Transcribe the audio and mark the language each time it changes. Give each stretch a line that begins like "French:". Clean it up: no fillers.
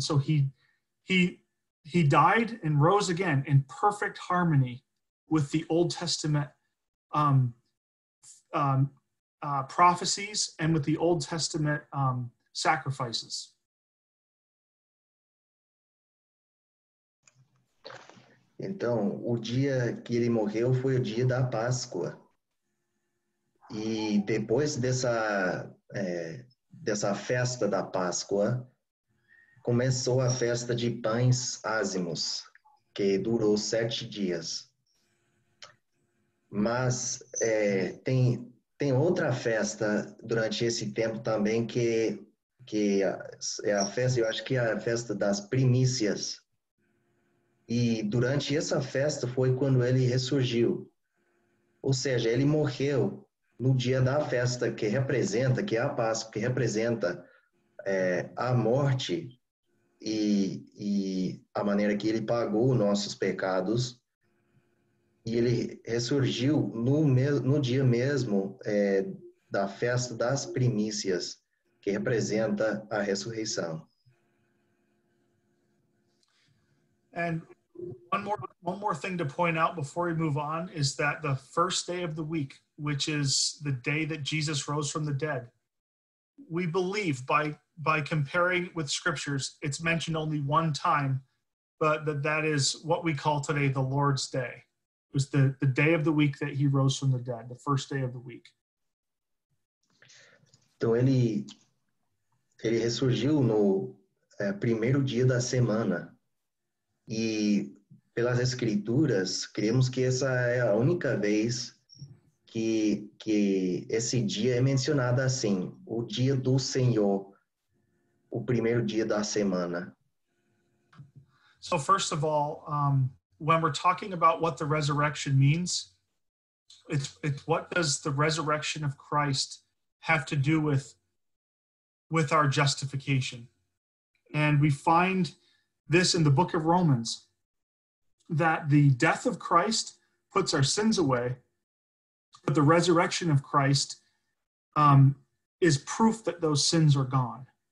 English: So he died and rose again in perfect harmony with the Old Testament prophecies and with the Old Testament sacrifices.
Portuguese: Então, o dia que ele morreu foi o dia da Páscoa. E depois dessa dessa festa da Páscoa, começou a festa de pães ázimos, que durou 7 dias. Mas tem outra festa durante esse tempo também, que é a festa, eu acho que é a festa das primícias. E durante essa festa foi quando ele ressurgiu. Ou seja, ele morreu no dia da festa que representa, que é a Páscoa, que representa a morte e a maneira que ele pagou nossos pecados. E ele ressurgiu no dia mesmo da festa das primícias, que representa a ressurreição.
English: And one more thing to point out before we move on is that the first day of the week, which is the day that Jesus rose from the dead, we believe by comparing with scriptures, it's mentioned only one time, but that is what we call today the Lord's Day. It was the day of the week that he rose from the dead, the first day of the week.
Portuguese: Então ele ressurgiu no primeiro dia da semana, e pelas escrituras, cremos que essa é a única vez que esse dia é mencionado assim, o dia do Senhor, o primeiro dia da semana.
English: So first of all, when we're talking about what the resurrection means, it's what does the resurrection of Christ have to do with our justification? And we find this in the book of Romans, that the death of Christ puts our sins away, but the resurrection of Christ is proof that those sins are gone.